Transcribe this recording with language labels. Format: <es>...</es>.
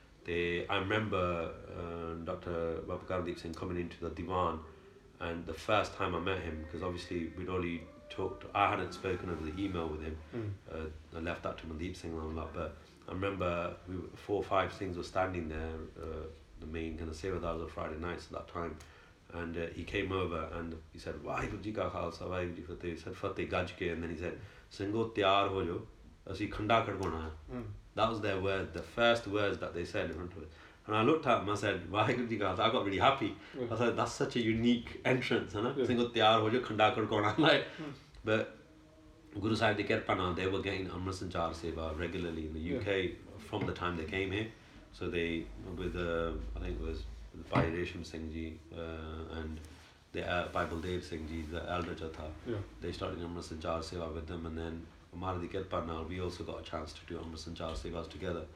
<en>I remember Dr. Babakarandeep Singh coming into the Diwan, and the first time I met him, because obviously we'd only talked, I hadn't spoken over the email with him. I left that to Mandeep Singh and all that, but I remember we were, four or five things were standing there, the main kind of Sevadars of Friday nights at that time. And he came over and he said,</en> <pa>ਵਾਹਿਗੁਰੂਜੀ ਕਾ ਖ਼ਾਲਸਾ, ਵਾਹਿਗੁਰੂਜੀ ਫ਼ਤਹਿ।</pa> <en>He said,</en> <pa>ਫ਼ਤਹਿ ਗੱਜ ਕੇ।</pa> <en>And then he said,</en> <pa>ਸਿੰਘੋ ਤਿਆਰ ਹੋ ਜੋ, ਅਸੀ ਖੰਡਾ ਕੱਢਗੋਨਾ ਹੈ।</pa> <en>That was their word, the first words that they said in front of us. And I looked at him, I said,</en> <pa>Vaheguruji ka khalsa.</pa> <en>I got really happy. I said, that's such a unique entrance, you know?</en> <pa>ਸਿੰਘੋ ਤਿਆਰ ਹੋ ਜੋ, ਖੰਡਾ ਕੱਢਗੋਨਾ ਹੈ।</pa> <en>But Guru Sahib de Kirpana, they were getting Amrit Sanchar Seva regularly in the UK from the time they came here. So they, with I think it was Bhai Resham Singh Ji and the Bible Dev Singh Ji, the elder Jatha, they started Amrit Sanchar Seva with them. And then Amara de Kirpana, we also got a chance to do Amrit Sanchar Sevas together.</en>